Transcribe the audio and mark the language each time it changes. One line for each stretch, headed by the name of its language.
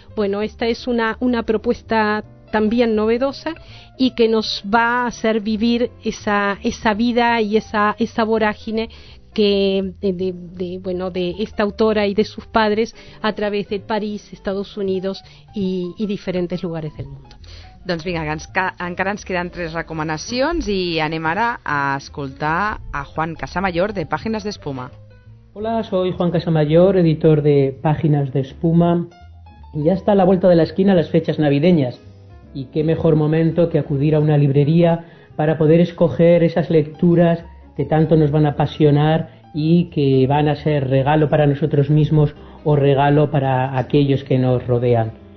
Spanish: Bueno, esta es una propuesta también novedosa y que nos va a hacer vivir esa vida y esa vorágine que de esta autora y de sus padres a través de París, Estados Unidos y diferentes lugares del mundo.
Catalan: Doncs vinga, encara ens queden 3 recomanacions i anem ara a escoltar a Juan Casamayor de Pàgines d'Espuma.
Spanish: Hola, soy Juan Casamayor, editor de Páginas de Espuma. Y ya está a la vuelta de la esquina las fechas navideñas. Y qué mejor momento que acudir a una librería para poder escoger esas lecturas que tanto nos van a apasionar y que van a ser regalo para nosotros mismos o regalo para aquellos que nos rodean.